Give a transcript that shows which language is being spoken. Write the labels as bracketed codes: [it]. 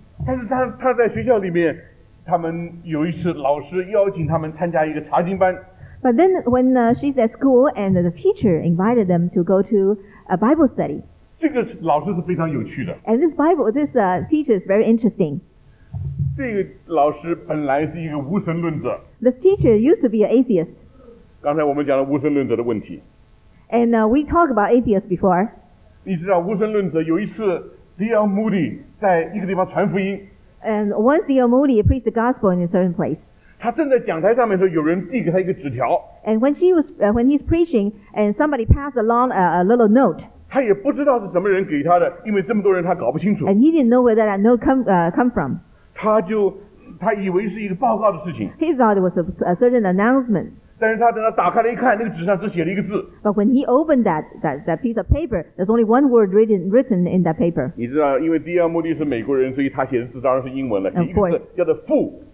[zh] 但是他在学校里面，他们有一次老师邀请他们参加一个查经班。 [en] But then when she's at school and the teacher invited them to go to a Bible study. [zh] 这个老师是非常有趣的。 [en] And this teacher is very interesting. [zh] 这个老师本来是一个无神论者。 [en] This teacher used to be an atheist. [zh] 刚才我们讲了无神论者的问题。 [en] And we talked about atheists before. [zh] 你知道无神论者有一次 D.L. Moody 在一个地方传福音。 [en] And once D.L. Moody preached the gospel in a certain place. [zh] 他正在讲台上面的时候，有人递给他一个纸条。 [en] And when he's preaching, and somebody passed along a little note. [zh] 他也不知道是什么人给他的，因为这么多人他搞不清楚。 [en] And he didn't know where that note come from. [zh] 他以为是一个报告的事情。 [en] He thought it was a certain announcement. [zh] 但是他等他打开了一看，那个纸上只写了一个字。 [en] But when he opened that piece of paper, there's only one word written in that paper. [zh] 你知道，因为 D.L. Moody 是美国人，所以他写的字当然是英文了。第一个字叫做 fool。